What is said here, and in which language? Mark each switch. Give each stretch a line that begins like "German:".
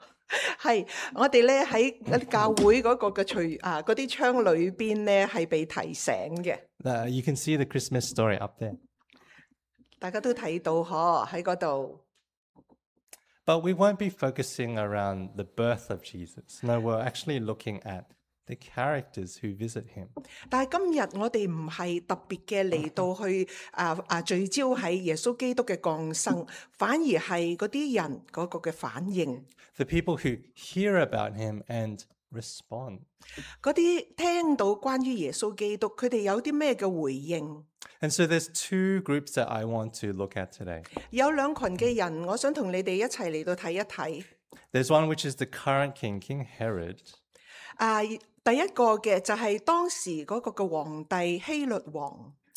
Chinese: 是我们呢在教会那个的那些窗里面呢是被提醒的。
English: You can see the Christmas story up there.
Chinese: 大家都看到在那里。
English: But we won't be focusing around the birth of Jesus. No, we're actually looking at the characters who visit him.
Chinese: 但是今天我们不是特别的来到去聚焦在耶稣基督的降生，反而是那些人那个的反应。
English: The people who hear about him and respond.
Chinese: 那些听到关于耶稣基督，他们有什么的回应？
English: And so there's two groups that I want to look at today.
Chinese: 有两群的人，我想跟你们一起来到看一看。
English: There's one which is the current king, King Herod.
Chinese: 第一个的就是当时那个的皇帝希律王。